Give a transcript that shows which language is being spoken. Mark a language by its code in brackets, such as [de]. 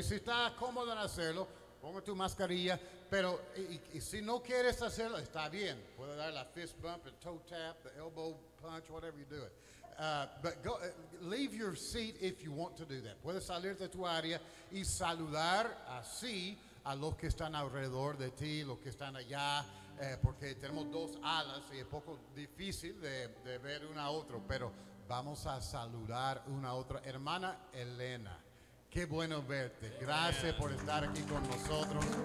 [es] Si está cómodo en hacerlo, ponga tu mascarilla. Pero y si no quieres hacerlo, está bien. Puede dar la [en] fist bump, the toe tap, the elbow punch, whatever you do it. But go, leave your seat if you want to do that. [es] Puedes salir de tu área y saludar así a los que están alrededor de ti, los que están allá, porque tenemos dos alas y es poco difícil de ver una a otro, pero vamos a saludar una a otra. Hermana Elena, qué bueno verte. Gracias por estar aquí con nosotros.